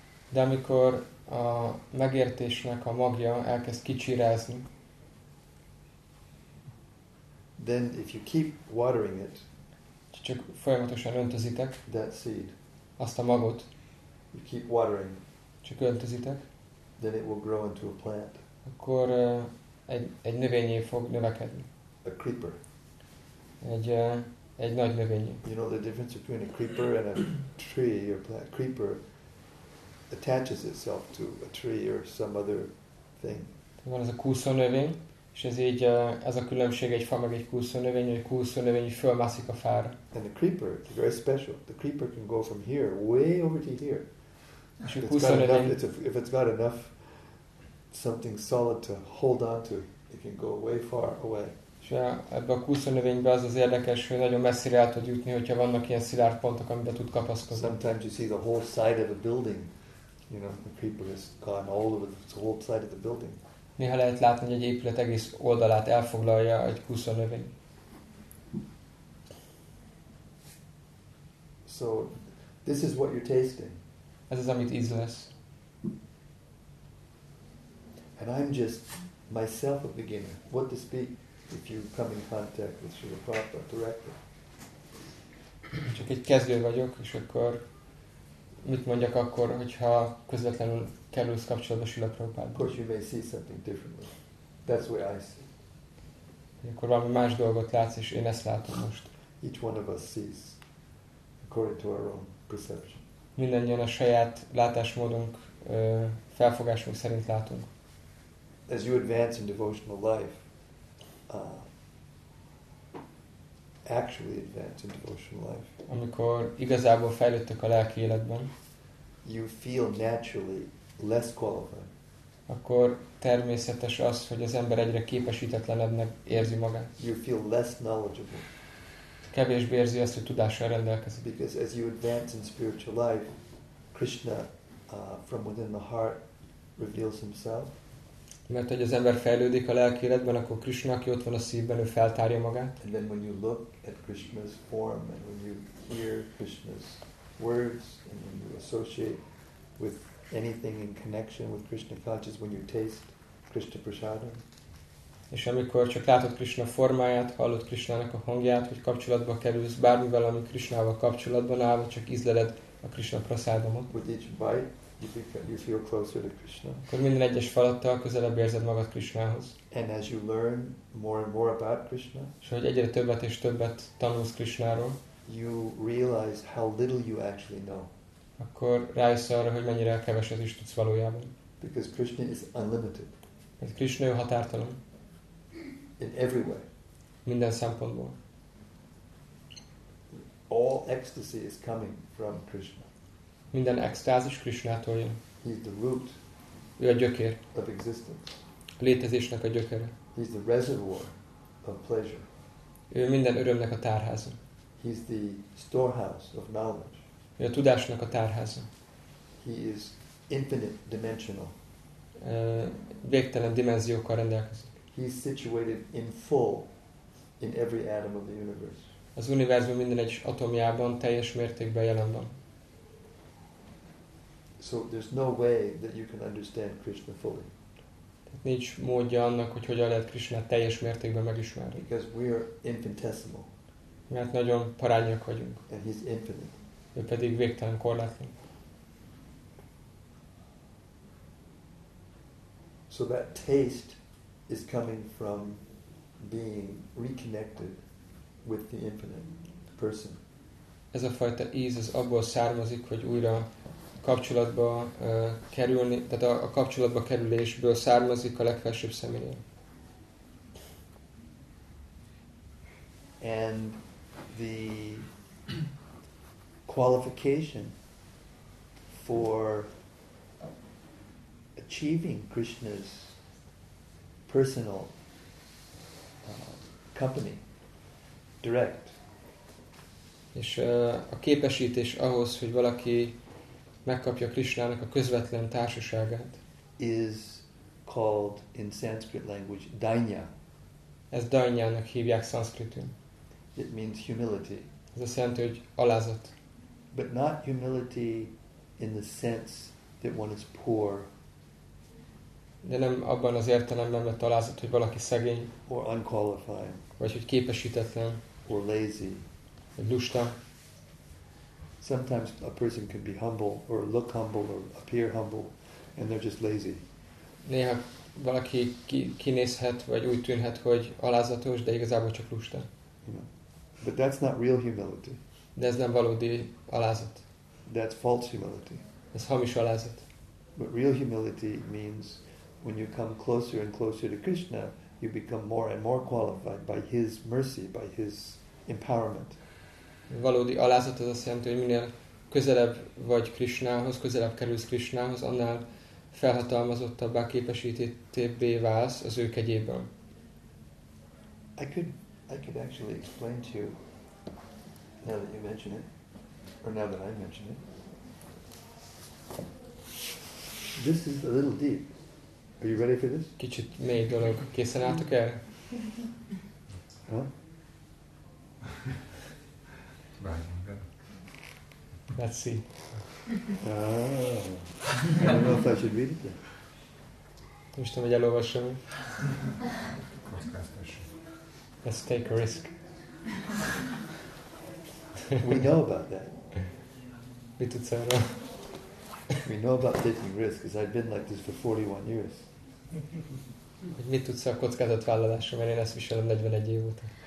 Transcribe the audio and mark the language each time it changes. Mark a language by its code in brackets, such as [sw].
[hu] De amikor a megértésnek a magja elkezd kicsirázni. [en] Then if you keep watering it, [hu] csak folyamatosan öntözitek, [en] that seed, [hu] azt a magot, [en] you keep watering, [hu] csak öntözitek, [en] then it will grow into a plant. [hu] Akkor egy növényé fog növekedni. [en] A creeper. [hu] Egy nagy növényé. [en] You know the difference between a creeper and a tree or plant? Creeper attaches itself to a tree or some other thing. [hu] Van ez a kúszó növény. És ez így, ez a különbség egy fa meg egy kúszó növény, hogy kúszó növény fölmászik a fára. [en] And the creeper, it's very special. The creeper can go from here, way over to here. [hu] És a kúszó növény, [en] if it's got enough something solid to hold on to, it can go way far away. [hu] És ebbe a kúszó növénybe az az érdekes, hogy nagyon messzire el tud jutni, hogyha vannak ilyen szilárd pontok, amiben tud kapaszkodni. [en] Sometimes you see the whole side of a building, you know, the creeper has gone all over the whole side of the building. [hu] Néha lehet látni, hogy egy épület egész oldalát elfoglalja egy kúszó növény. [en] So, this is what you're tasting. [hu] Ez az, amit ízlesz. [en] And I'm just myself a beginner. What to speak if you come in contact with Srila Prabhupada directly? [hu] Csak egy kezdő vagyok, és akkor mit mondjak akkor, hogyha közvetlenül kerülsz kapcsolatba Srila Prabhupádba. [en] Of course you may see something differently. That's what I see. [hu] Akkor valami más dolgot látsz, és én ezt látom most. [en] Each one of us sees according to our own perception. [hu] Mindannyian a saját látásmódunk, felfogásunk szerint látunk. [en] As you advance in devotional life, actually advance in devotional life. [hu] Amikor igazából fejlődtök a lelki életben, [en] you feel naturally less qualified. [hu] Akkor természetes az, hogy az ember egyre képesítetlenebbnek érzi magát. [en] You feel less knowledgeable. [hu] Kevésbé érzi azt, hogy tudással rendelkezik. [en] Because as you advance in spiritual life, Krishna from within the heart reveals himself. [hu] Mert hogy az ember fejlődik a lelki életben, akkor Krishna, aki ott van a szívben, ő feltárja magát. [en] And then when you look at Krishna's form and when you hear Krishna's words and when you associate with anything in connection with Krishna consciousness, when you taste Krishna prasadam. [hu] És amikor csak látod Krishna formáját, hallod Krishnának a hangját, hogy kapcsolatba kerülsz bármivel, ami Krishnával kapcsolatban áll, vagy csak ízleled a Krishna prasadamot. [en] With each bite, you feel closer to Krishna. [hu] Akkor minden egyes falattal közelebb érzed magad Krishnához. [en] And as you learn more and more about Krishna. [hu] És hogy egyre többet és többet tanulsz Krishnáról. [en] you realize how little you actually know. [hu] Akkor rájössz arra, hogy mennyire keveset is tudsz valójában. [en] Because Krishna is unlimited. [hu] Mert Krishna jó határtalan. [en] In every way. [hu] Minden szempontból. [en] All ecstasy is coming from Krishna. [hu] Minden extázis Krishnától jön. [en] He is the root. [hu] Ő a gyökér. [en] Of existence. [hu] A létezésnek a gyökere. [en] He is the reservoir of pleasure. [hu] Ő minden örömnek a tárháza. [en] He is the storehouse of knowledge. [hu] Ő a tudásnak a tárháza. [en] He is infinite dimensional. [hu] Végtelen dimenziókkal rendelkezik. [en] He is situated in full in every atom of the universe. [hu] Az univerzum minden egy atomjában teljes mértékben jelen van. [en] So there's no way that you can understand Krishna fully. [hu] Tehát nincs módja annak, hogy hogyan lehet Krishnát teljes mértékben megismerni. [en] Because we are infinitesimal. [hu] Mert nagyon parányiak vagyunk. [en] And he's infinite. [hu] Ő pedig végtelen korlátlan. [en] So that taste is coming from being reconnected with the infinite person. [hu] Ez a fajta íz az abból származik, hogy újra kapcsolatba kerülni, tehát a kapcsolatba kerülésből származik a legfelsőbb személyen. [en] And the qualification for achieving Krishna's personal company direct. [hu] És a képesítés ahhoz, hogy valaki megkapja Krishnának a közvetlen társaságát, [en] is called in Sanskrit language dainya. [hu] Ez dainyának hívják szanszkritül. [en] It means humility. [hu] Ez azt jelenti, hogy alázat. [en] But not humility in the sense that one is poor. [hu] De nem abban az értelemben vett alázat, hogy valaki szegény, [en] or unqualified, [hu] vagy hogy képesítetlen, [en] or lazy, [hu] vagy lusta. [en] Sometimes a person can be humble, or look humble, or appear humble, and they're just lazy. [hu] Néha valaki kinézhet, vagy úgy tűnhet, hogy alázatos, de igazából csak lusta. [en] But that's not real humility. [hu] De ez nem valódi alázat. [en] That's false humility. [hu] Ez hamis alázat. [en] But real humility means when you come closer and closer to Krishna, you become more and more qualified by his mercy, by his empowerment. [hu] Valódi alázat az azt jelenti, hogy minél közelebb vagy Krishnához, közelebb kerülsz Krishnához, annál felhatalmazottabbá, képesítettebbé válsz az ő kegyében. [en] I could actually explain to you, now that you mention it, or now that I mention it, this is a little deep. Are you ready for this? [hu] Kicsit mély dolog. Készen álltok erre? Huh? [en] Let's see. Oh. I don't know if I should read it then. [hu] Nem is tudom, hogy elolvassam. [en] Let's take a risk. We know about that. [hu] Mit tudsz erről? [en] We know about taking risks, because I've been like this for 41 years. [hu] Hogy mit tudsz a kockázatvállalásra, mert én ezt viselem 41 év óta.